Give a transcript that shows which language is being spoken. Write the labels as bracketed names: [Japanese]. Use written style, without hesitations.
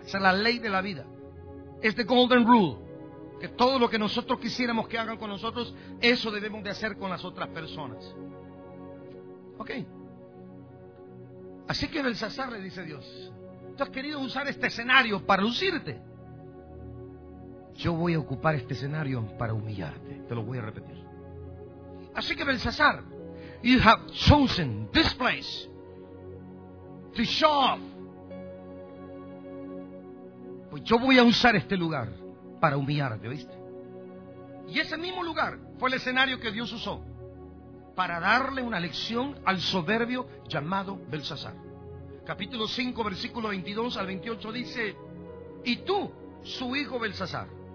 [Spanish] Esa es la ley de la vida, es [English] the golden rule. [Spanish] Que todo lo que nosotros quisiéramos que hagan con nosotros, eso debemos de hacer con las otras personas. Ok. Así que Belsasar, le dice Dios, tú has querido usar este escenario para lucirte. Yo voy a ocupar este escenario para humillarte. Te lo voy a repetir. [English] Así que Belsasar, you have chosen this place to show off. [Spanish] Pues yo voy a usar este lugar para humillarte, ¿oíste? Y ese mismo lugar fue el escenario que Dios usó para darle una lección al soberbio llamado Belsasar. Capítulo 5, versículo 22 al 28 dice, y tú, su hijo Belsasar.